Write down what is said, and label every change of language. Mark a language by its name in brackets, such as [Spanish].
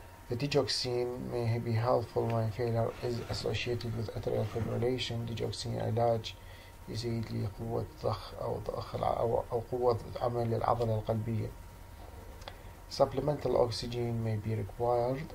[English] The digoxin may be helpful when failure is associated with atrial fibrillation. [Arabic] Digoxin علاج يزيد لي قوة ضخ أو ضخ أو قوة عمل العضلة القلبية. [English] Supplemental oxygen may be required.